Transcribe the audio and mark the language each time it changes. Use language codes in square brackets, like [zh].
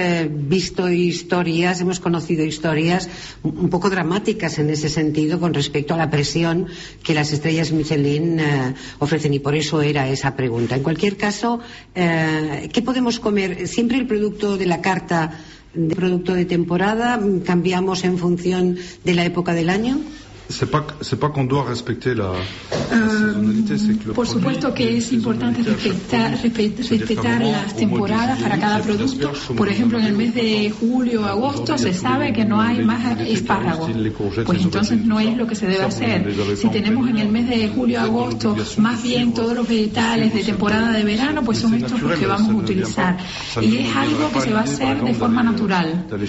[es] Visto historias, hemos conocido historias un poco dramáticas en ese sentido con respecto a la presión que las estrellas Michelin ofrecen, y por eso era esa pregunta. En cualquier caso, ¿qué podemos comer? Siempre el producto de la carta, de producto de temporada, ¿cambiamos en función de la época del año? [fr] C'est pas qu'on doit respecter la saisonnalité, c'est que le [es] por supuesto que es importante respetar las temporadas para cada producto. Por ejemplo, en el mes de julio o agosto se sabe que no hay más espárragos, pues entonces no es lo que se debe hacer. Si tenemos en el mes de julio o agosto más bien todos los vegetales de temporada de verano, pues son estos los que vamos a utilizar, y es algo que se va a hacer de forma natural.